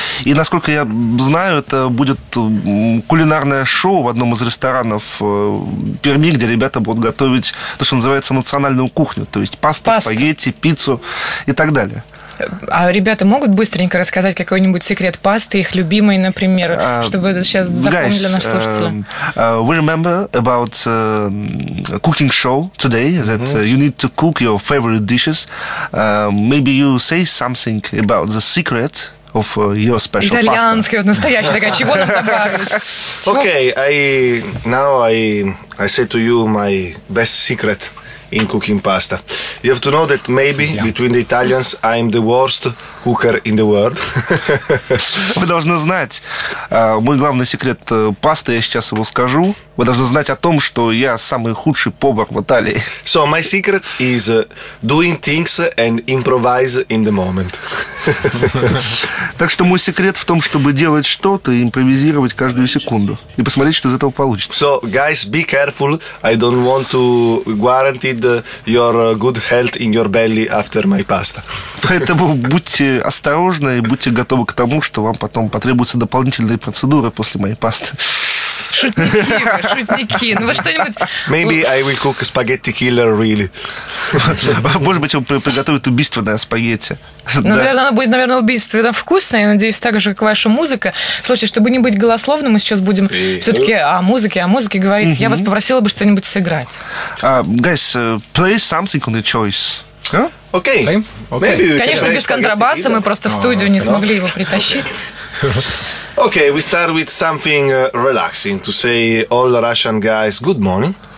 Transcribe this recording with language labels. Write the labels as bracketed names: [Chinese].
[Russian] И, насколько я знаю, это будет кулинарное шоу в одном из ресторанов Перми, где ребята будут готовить то, что называется, национальную кухню. То есть пасту, спагетти, пиццу и так далее. А ребята могут быстренько рассказать какой-нибудь секрет пасты, их любимой, например, чтобы это сейчас запомнили наши слушатели? [English] We remember about cooking show today, that you need to cook your favorite dishes. Maybe you say something about the secret of your special pasta. [Russian] Итальянская, вот настоящая такая, чего нам добавить? [English] Okay, I say to you my best secret in cooking pasta. You have to know that maybe between the Italians I'm the worst cooker in the world. [Russian] Вы должны знать, мой главный секрет пасты, я сейчас его скажу. Вы должны знать о том, что я самый худший повар в Италии. [English] So my secret is doing things and improvise in the moment. [Russian] Так что мой секрет в том, чтобы делать что-то и импровизировать каждую секунду. И посмотреть, что из этого получится. [English] So, guys, be careful. I don't want to guarantee your good health in your belly after my pasta. [Russian] Поэтому будьте осторожны и будьте готовы к тому, что вам потом потребуются дополнительные процедуры после моей пасты. Шутники, ну вот что-нибудь... [English] Maybe I will cook a spaghetti killer, really. [Russian] Может быть, он приготовит убийственное спагетти. Ну, наверное, оно будет, наверное, убийственно вкусное, я надеюсь, так же, как ваша музыка. Слушайте, чтобы не быть голословным, мы сейчас будем все-таки о музыке говорить. Я вас попросила бы что-нибудь сыграть. [English] Guys, play something on your choice. Окей. [Russian] Конечно, без контрабаса мы просто в студию не смогли его притащить. [English] Okay, we start with something relaxing to say all the Russian guys good morning.